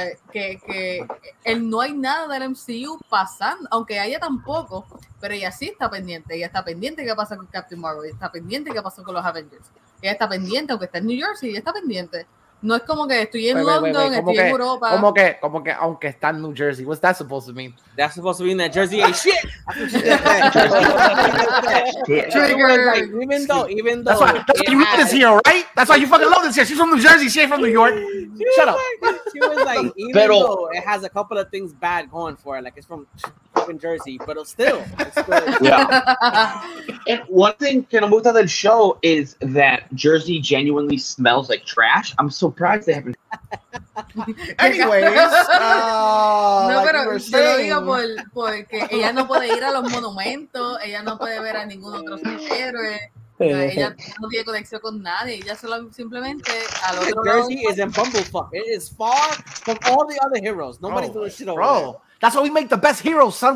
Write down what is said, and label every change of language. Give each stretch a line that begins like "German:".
Spanish: Que él no hay nada del MCU pasando, aunque haya tampoco, pero ella sí está pendiente. Ella está pendiente de qué pasa con Captain Marvel, ella está pendiente de qué pasa con los Avengers. Ella está pendiente, aunque está en New Jersey, ella está pendiente. No es como que estoy en London, estoy en Europa. Como que aunque está en New Jersey,
English: what's that supposed to mean? That's supposed to be in that Jersey ain't shit. even though that's why you moved this here, right? That's why you fucking love this here. She's from New Jersey, she ain't from New York. Shut up. Even though it has a couple of things bad going for it, like it's from fucking Jersey, but it's still yeah. One thing
Spanish: que no me gusta del
English: show is that Jersey genuinely smells like trash. I'm so surprised they haven't. Anyways,
Spanish: no, like pero te lo digo porque ella no puede ir a los monumentos, ella no puede ver a ningún otro superhéroe, ella no tiene conexión con nadie, ella solo simplemente al otro lado.
English: Jersey is in Bumblefuck. It is far from all the other heroes. Nobody does shit over there. That's why we make the best heroes, son.